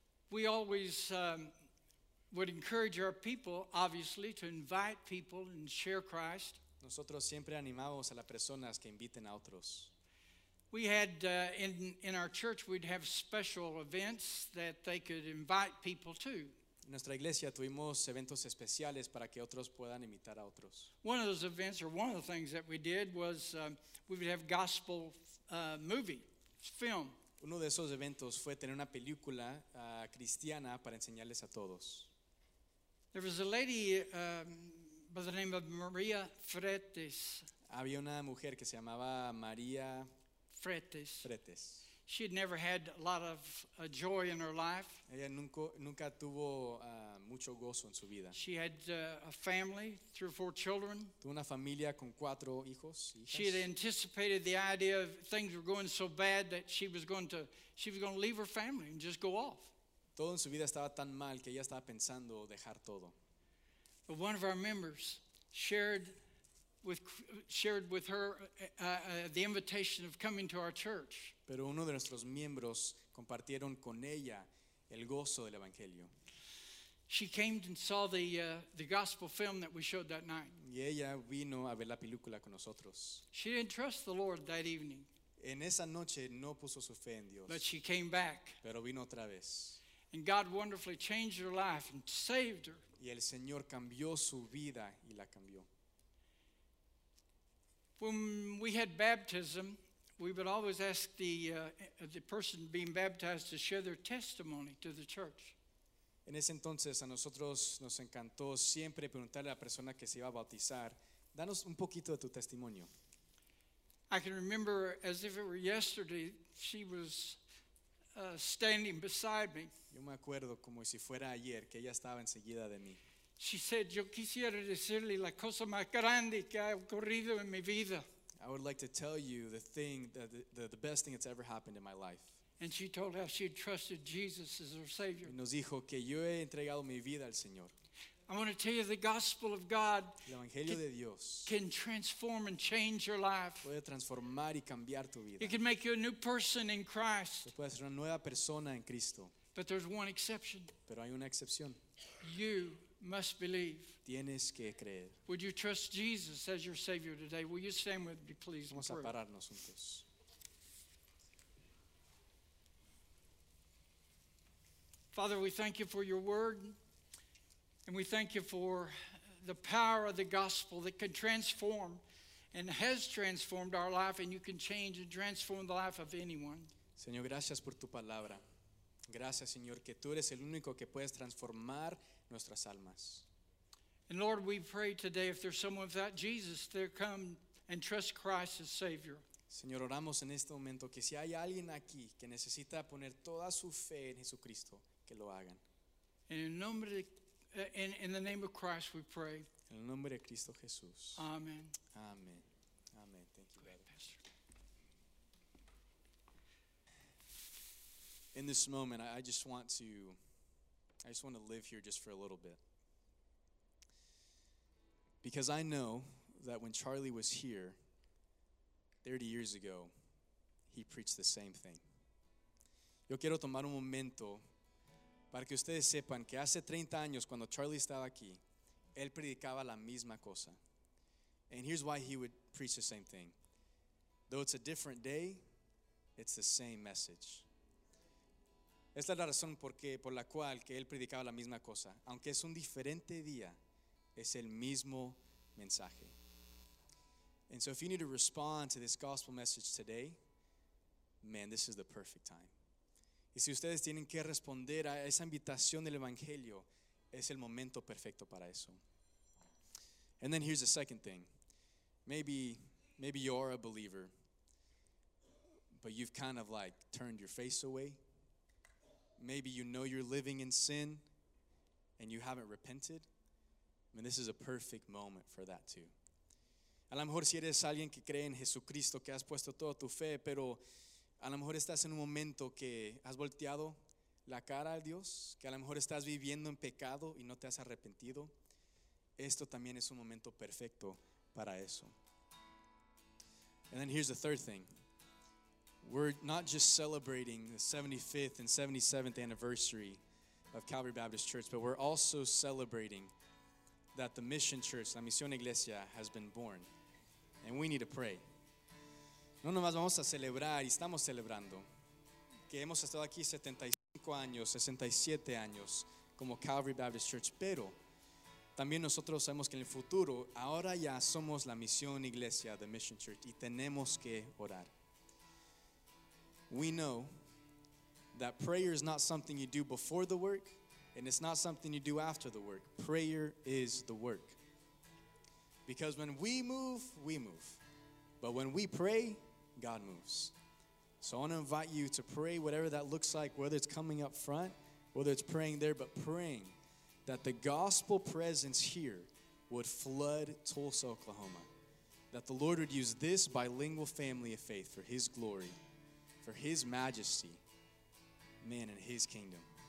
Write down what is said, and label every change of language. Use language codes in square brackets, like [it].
[en] we always would encourage our people, obviously, to invite people and share Christ. [es] Nosotros siempre animamos a las personas que inviten a otros. [en] We had in our church we'd have special events that they could invite people to. [es] En nuestra iglesia tuvimos eventos especiales para que otros puedan invitar a otros. [en] One of those events, or one of the things that we did, was we would have gospel movie film. [es] Uno de esos eventos fue tener una película cristiana para enseñarles a todos. [en] There was a lady by the name of Maria Fretes. [es] Había una mujer que se llamaba María [en] Fretes. She had never had a lot of joy in her life. [es] Ella nunca tuvo mucho gozo en su vida. [en] She had a family, 3 or 4 children. [es] Tuvo una familia con 4 hijos. [en] She had anticipated the idea of things were going so bad that she was going to leave her family and just go off. [es] Todo en su vida estaba tan mal que ella estaba pensando dejar todo. [en] But one of our members shared with her the invitation of coming to our church. [es] Pero uno de nuestros miembros compartieron con ella el gozo del evangelio. [en] She came and saw the gospel film that we showed that night. [es] Y ella vino a ver la película con nosotros. [en] She didn't trust the Lord that evening. [es] En esa noche no puso su fe en Dios. [en] But she came back. [es] Pero vino otra vez. [en] And God wonderfully changed her life and saved her. [es] Y el Señor cambió su vida y la cambió. [en] When we had baptism, we would always ask the person being baptized to share their testimony to the church. [es] En ese entonces a nosotros nos encantó siempre preguntarle a la persona que se iba a bautizar, danos un poquito de tu testimonio. [en] I can remember as if it were yesterday, she was standing beside me. [es] Yo me acuerdo como si fuera ayer que ella estaba enseguida de mí. [en] She said, [es] yo quisiera decirle la cosa más grande que ha ocurrido en mi vida. [en] I would like to tell you the thing, the best thing that's ever happened in my life. And she told how she had trusted Jesus as her Savior. [es] Y nos dijo que yo he entregado mi vida al Señor. [en] I want to tell you the gospel of God. [es] El Evangelio de Dios [en] can transform and change your life. [es] Puede transformar y cambiar tu vida. [en] It can make you a new person in Christ. [es] Te puede hacer una nueva persona en Cristo. [en] But there's one exception. [es] Pero hay una excepción. [en] You must believe. [es] Tienes que creer. [en] Would you trust Jesus as your Savior today? Will you stand with me, please? [es] Vamos a pararnos juntos. [en] Father, we thank you for your word. And we thank you for the power of the gospel that can transform and has transformed our life, and you can change and transform the life of anyone. [es] Señor, gracias por tu palabra. Gracias, Señor, que tú eres el único que puedes transformar nuestras almas. [en] And Lord, we pray today if there's someone without Jesus, they'll come and trust Christ as Savior. [es] Señor, oramos en este momento que si hay alguien aquí que necesita poner toda su fe en Jesucristo, que lo hagan. En el nombre de [en] in the name of Christ we pray. [es] En el nombre de Cristo Jesús. [en] Amen. Amen. Amen. Thank you, ahead, Pastor. In this moment, I just want to live here just for a little bit. Because I know that when Charlie was here 30 years ago, he preached the same thing. [es] Yo quiero tomar un momento para que ustedes sepan que hace 30 años cuando Charlie estaba aquí, él predicaba la misma cosa. [en] And here's why he would preach the same thing. Though it's a different day, it's the same message. [es] Esta es la razón por la cual que él predicaba la misma cosa. Aunque es un diferente día, es el mismo mensaje. [en] And so if you need to respond to this gospel message today, man, this is the perfect time. [es] Y si ustedes tienen que responder a esa invitación del Evangelio, es el momento perfecto para eso. [en] And then here's the second thing. Maybe you are a believer, but you've kind of like turned your face away. Maybe you know you're living in sin and you haven't repented. I mean, this is a perfect moment for that too. [es] A lo mejor si eres alguien que cree en Jesucristo, que has puesto toda tu fe, pero a lo mejor estás en un momento que has volteado la cara a Dios, que a lo mejor estás viviendo en pecado y no te has arrepentido. Esto también es un momento perfecto para eso. [en] And then here's the third thing. We're not just celebrating the 75th and 77th anniversary of Calvary Baptist Church, but we're also celebrating that the Mission Church, la Misión Iglesia, has been born. And we need to pray. [es] No nomás vamos a celebrar y estamos celebrando que hemos estado aquí 75 años, 67 años como Calvary Baptist Church, pero también nosotros sabemos que en el futuro ahora ya somos la Misión Iglesia, the Mission Church, y tenemos que orar. [en] We know that prayer is not something you do before the work and it's not something you do after the work. Prayer is the work. Because when we move. But when we pray, God moves. So I want to invite you to pray whatever that looks like, whether it's coming up front, whether it's praying there, but praying that the gospel presence here would flood Tulsa, Oklahoma, that the Lord would use this bilingual family of faith for His glory, for His majesty, man, and His kingdom.